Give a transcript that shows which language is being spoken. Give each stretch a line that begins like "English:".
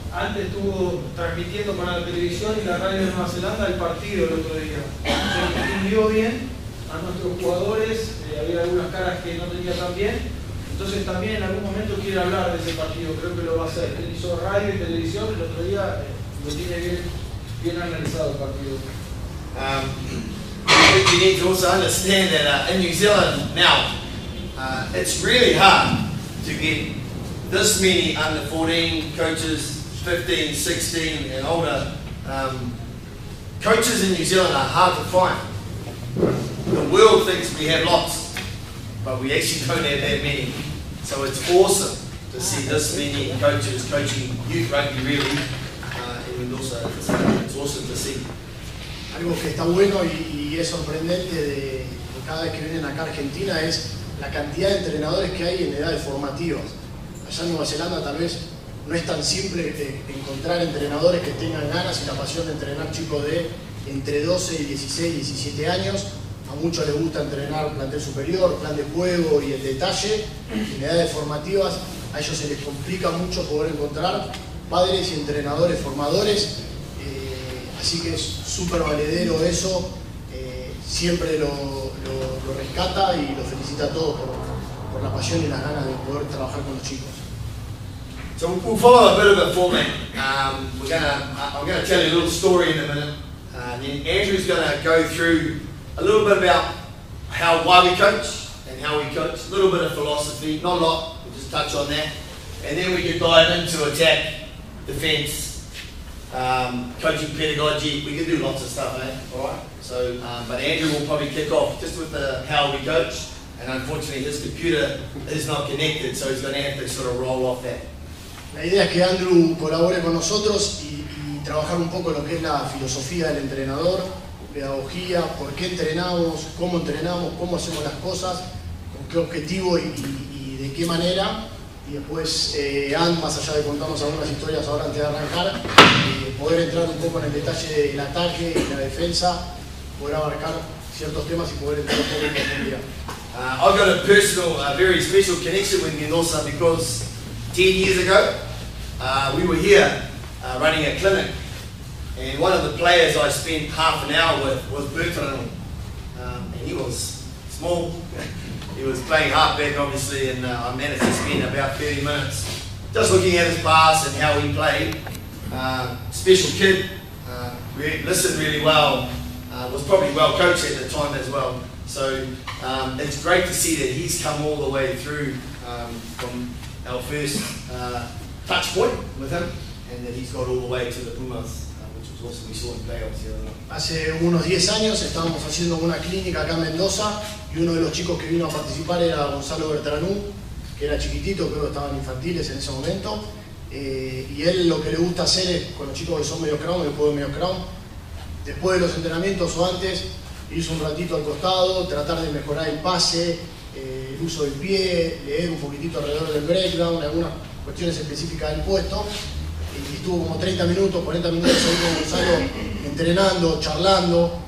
Spanish: Antes estuvo transmitiendo para la televisión y la radio de Nueva Zelanda el partido el otro día. Se entendió bien a nuestros jugadores, había algunas caras que no tenía tan bien. Entonces también en algún momento quiere hablar de ese partido, creo que lo va a hacer. Él hizo radio y televisión el otro día, lo tiene bien analizado el partido.
English: You need to also understand that in New Zealand now, it's really hard to get this many under 14 coaches, 15, 16 and older. Coaches in New Zealand are hard to find. The world thinks we have lots, but we actually don't have that many. So it's awesome to see this many coaches coaching youth rugby really, and also it's awesome to see.
Spanish: Algo que está bueno y es sorprendente de cada vez que vienen acá a Argentina es la cantidad de entrenadores que hay en edades formativas. Allá en Nueva Zelanda tal vez no es tan simple encontrar entrenadores que tengan ganas y la pasión de entrenar chicos de entre 12 y 16, 17 años. A muchos les gusta entrenar plantel superior, plan de juego y el detalle. En edades formativas a ellos se les complica mucho poder encontrar padres y entrenadores formadores, así que es súper valedero eso, siempre lo rescata y lo felicita a todos por la pasión y las ganas de poder trabajar con los chicos.
English: So we'll follow a bit of a format. I'm gonna tell you a little story in a minute. Then Andrew's gonna go through a little bit about why we coach and how we coach. A little bit of philosophy, not a lot. We'll just touch on that, and then we can dive into attack, defense, coaching pedagogy. We can do lots of stuff, eh? All right. So, but Andrew will probably kick off just with the how we coach, and unfortunately his computer is not connected, so he's gonna have to sort of roll off that.
Spanish: La idea es que Andrew colabore con nosotros y trabajar un poco lo que es la filosofía del entrenador, pedagogía, por qué entrenamos, cómo hacemos las cosas, con qué objetivo y de qué manera. Y después, Anne, más allá de contarnos algunas historias ahora antes de arrancar, poder entrar un poco en el detalle del ataque y la defensa, poder abarcar ciertos temas y poder entrar un poco en profundidad.
English: I've got a personal, very special connection with Mendoza because 10 years ago, we were here running a clinic, and one of the players I spent half an hour with was Bertrand, and he was small. He was playing halfback, obviously, and I managed to spend about 30 minutes just looking at his pass and how he played. Special kid, listened really well, was probably well coached at the time as well. So it's great to see that he's come all the way through from our first touch point with him, and then he's got all the way to the Pumas, which was awesome. We saw him play obviously the other night.
Spanish: Hace unos 10 años estábamos haciendo una clínica acá en Mendoza, y uno de los chicos que vino a participar era Gonzalo Bertranú, que era chiquitito, creo que estaban infantiles en ese momento, y él lo que le gusta hacer es, con los chicos que son medio crown, que juegan medio crown, después de los entrenamientos o antes, irse un ratito al costado, tratar de mejorar el pase, el uso del pie, leer un poquitito alrededor del breakdown, algunas cuestiones específicas del puesto, y estuvo como 30 minutos, 40 minutos ahí con Gonzalo entrenando, charlando.